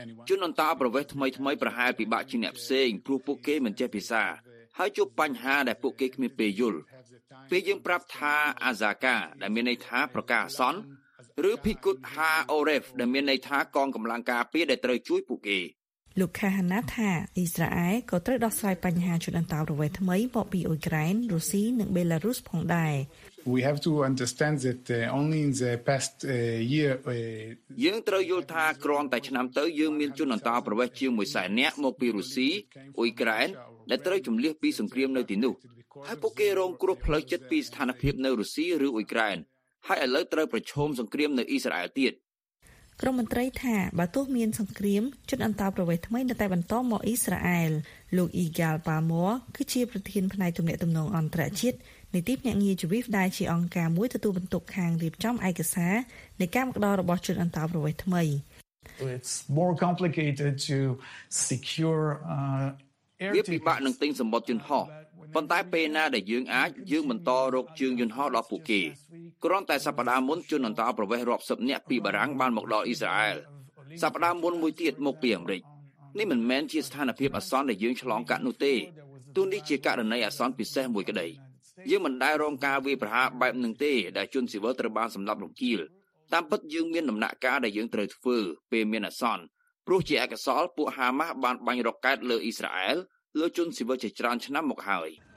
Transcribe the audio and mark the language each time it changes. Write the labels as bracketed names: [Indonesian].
[Khmer] ជនអន្តោប្រវេសន៍ថ្មីៗប្រហែលពិបាកជាអ្នកផ្សេងព្រោះពួកគេមិនចេះភាសាហើយជួបបញ្ហាដែលពួកគេគ្មានពេលយល់ពេលយើងប្រាប់ថាអាសាកាដែលមានន័យថាប្រកាសអាសន្នឬភីគុតហាអូរ៉េវដែលមានន័យថាកងកម្លាំងការពារដែលត្រូវជួយពួកគេ លោកខាហាណាថាអ៊ីស្រាអែលក៏ត្រូវដោះស្រាយបញ្ហាជនអន្តោប្រវេសន៍ថ្មីមកពីអ៊ុយក្រែនរុស្ស៊ីនិងបេឡារុសផងដែរ [English] We have to understand that only in the past year [Khmer] យើងត្រូវយល់ថាគ្រាន់តែឆ្នាំទៅយើងមានជនអន្តោប្រវេសន៍ជាង100,000នាក់មកពីរុស្ស៊ីអ៊ុយក្រែនដែលត្រូវជម្លៀសពីសង្គ្រាមនៅទីនោះហើយពួកគេរងគ្រោះផ្លូវចិត្តពីស្ថានភាពនៅរុស្ស៊ីឬអ៊ុយក្រែនហើយឥឡូវត្រូវប្រឈមសង្គ្រាមនៅអ៊ីស្រាអែលទៀត ក្រុមមន្ត្រីថាបើទោះមានសង្គ្រាមជនអន្តោប្រវេសន៍ថ្មីនៅតែបន្តមកអ៊ីស្រាអែលលោកអ៊ីហ្គាល់ប៉ាម័រគឺជាប្រធានផ្នែកទំនាក់ទំនងអន្តរជាតិនៃទីភ្នាក់ងារជីវីវដែលជាអង្គការមួយទទួលបន្ទុកខាងរៀបចំឯកសារនៃការមកដល់របស់ជនអន្តោប្រវេសន៍ថ្មី [English] It's more complicated to secure [Khmer] វាពិបាកនឹងទិញសម្បត្តិជនហោះប៉ុន្តែពេលណាដែលយើងអាចយើងបន្តរកជើងយន្តហោះដល់ពួកគេគ្រាន់តែសប្តាហ៍មុនជនអន្តោប្រវេសន៍រាប់សិបនាក់ពីបារាំងបានមកដល់អ៊ីស្រាអែល សប្តាហ៍មុនមួយទៀតមកពីអាមេរិកនេះមិនមែនជាស្ថានភាពអាសន្នដែលយើងឆ្លងកាត់នោះទេទោះនេះជាករណីអាសន្នពិសេសមួយក្តីយើងមិនដែលរងការវាយប្រហារបែបនឹងទេដែលជនស៊ីវិលត្រូវបានសម្លាប់រង្គាលតាមពិតយើងមានដំណាក់ការដែលយើងត្រូវធ្វើពេលមានអាសន្នព្រោះជាឯកសារពួកហាម៉ាស់បានបាញ់រ៉ុកកែតលើអ៊ីស្រាអែលលើជនស៊ីវិលជាច្រើនឆ្នាំមកហើយ